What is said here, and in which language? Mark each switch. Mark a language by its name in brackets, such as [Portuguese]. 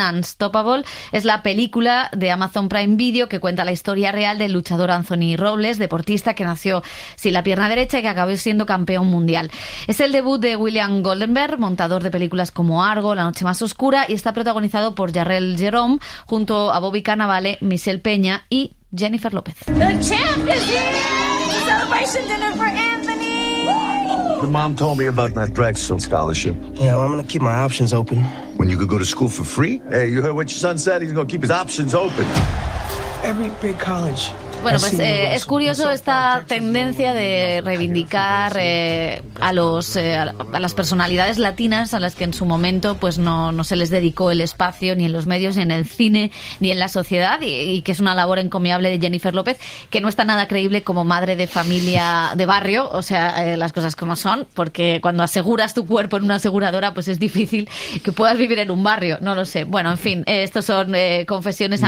[Spanish] Unstoppable es la película de Amazon Prime Video que cuenta la historia real del luchador Anthony Robles, deportista que nació sin la pierna derecha y que acabó siendo campeón mundial. Es el debut de William Goldenberg, montador de películas como Argo, La Noche Más Oscura, y está protagonizado por Jarrell Jerome junto a Bobby Cannavale, Michelle Peña y Jennifer López. [English] The champ is here! Celebration dinner for Anthony! The mom told me about that Drexel scholarship. Yeah, well, I'm gonna keep my options open. When you could go to school for free? Hey, you heard what your son said? He's gonna keep his options open. Every big college. [Spanish] Bueno, pues es curioso esta tendencia de reivindicar a las personalidades latinas a las que en su momento pues no se les dedicó el espacio ni en los medios, ni en el cine, ni en la sociedad, y que es una labor encomiable de Jennifer López, que no está nada creíble como madre de familia de barrio, o sea, las cosas como son, porque cuando aseguras tu cuerpo en una aseguradora pues es difícil que puedas vivir en un barrio, no lo sé. Bueno, en fin, estos son confesiones a